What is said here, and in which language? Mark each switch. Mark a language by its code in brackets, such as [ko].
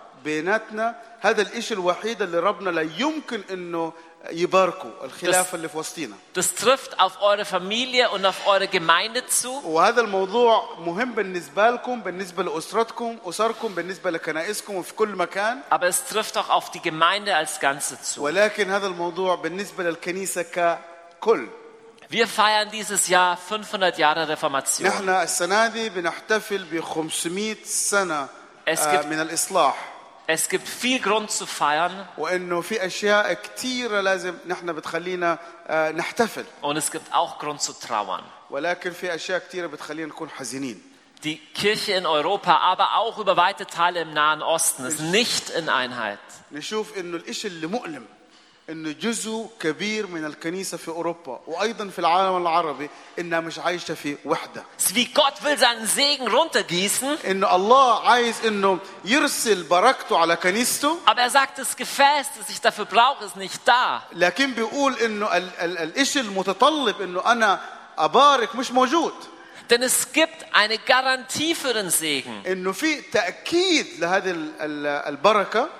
[ar] بيناتنا هذا الإشي الوحيد اللي ربنا لا يمكن إنه يباركوا الخلاف اللي في وسطينا. [de] Das trifft auf eure Familie und auf eure Gemeinde zu. [ar] وهذا الموضوع مهم بالنسبة لكم، بالنسبة لأسرتكم، أسركم، بالنسبة لكنائسكم وفي كل مكان. [de] Aber es trifft auch auf die Gemeinde als Ganze zu. [ar] ولكن هذا الموضوع بالنسبة للكنيسة ككل. [de] Wir feiern dieses Jahr 500 Jahre Reformation. [ar] نحن السنة دي بنحتفل ب 500 سنة من الإصلاح. [de] Es gibt viel Grund zu feiern. [ar] وإنه في أشياء كتيرة لازم نحن بتخلينا نحتفل. [de] Und es gibt auch Grund zu trauern. [ar] ولكن في أشياء كتيرة بتخلينا نكون حزينين. [de] Die Kirche in Europa, aber auch über weite Teile im Nahen Osten, ist nicht in Einheit. [ar] نشوف إنه الإشي اللي مؤلم إنه جزء كبير من الكنيسة في أوروبا وأيضا في العالم العربي إنها مش عايشة في وحدة. [de] Wie Gott will seinen Segen runtergießen. [ar] إنه الله عايز إنه يرسل بركته على كنيسته. [de] Aber er sagt, das Gefäß, das ich dafür brauche, ist nicht da. [ar] لكن بيقول إنه الإشي المتطلب إنه أنا أبارك مش موجود. [de] Denn es gibt eine Garantie für den Segen. [ar] إنه في تأكيد لهذه البركة.